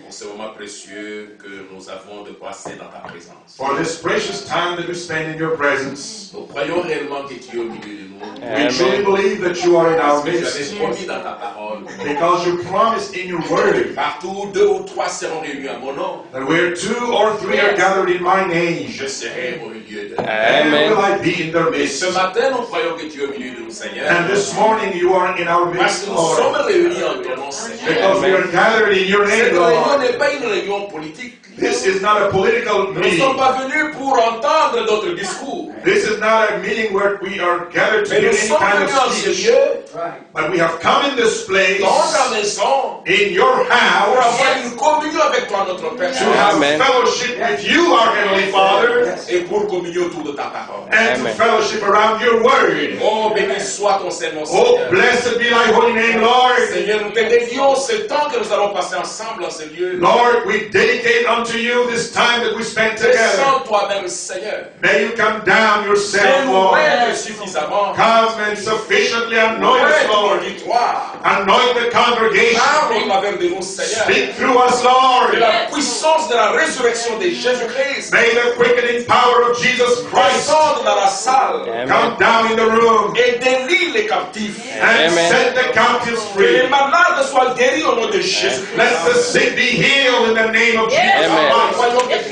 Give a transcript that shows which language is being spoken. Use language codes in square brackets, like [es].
[fr] En ce moment précieux que nous avons de passer dans ta présence. [en] For this precious time that we spend in your presence. [fr] Nous croyons réellement que tu es au milieu de nous. [en] We truly believe that you are in our midst. [fr] Parce que tu as promis dans ta parole. [en] Because you promised in your word. [fr] Partout deux ou trois seront réunis à mon nom. [en] That where two or three are gathered in my name. [fr] Je serai au milieu de [en] nous. Amen. And will I be in their midst. [fr] Et ce matin nous croyons que tu es au milieu de nous, Seigneur. [en] And this morning you are in our midst, Lord. [fr] Parce que nous sommes réunis en ton nom, Seigneur. [en] Because we are gathered in your name, Lord. [fr] Cette réunion n'est pas une réunion politique. [en] This is not a political meeting. [fr] Nous ne sommes pas venus pour entendre notre discours. [en] This is not a meeting where we are gathered to hear any kind of speech. But we have come in this place, [fr] dans ta maison, [en] in your house, [fr] pour avoir une communion avec toi, notre Père, [en] to have fellowship with you, our Heavenly Father, [fr] et pour communier autour de ta parole, [en] and to fellowship around your word. [fr] Oh, béni soit ton Seigneur. [en] Oh, blessed be thy holy name, Lord. [fr] Seigneur, nous te dédions ce temps que nous allons passer ensemble en ce lieu. [en] Lord, we dedicate unto you this time that we spend together. [fr] Descends toi-même, Seigneur. [en] May you come down yourself, Lord. Come and sufficiently anoint us, Lord. Anoint the congregation. Speak through us, Lord. [fr] La puissance de la résurrection de Jésus Christ. [en] May the quickening power of Jesus Christ come down in the room [fr] et délivre les captifs. [en] And set the captives free. [fr] Les malades soient guéris au nom de Jésus. [en] Let the sick be healed in the name of Jesus.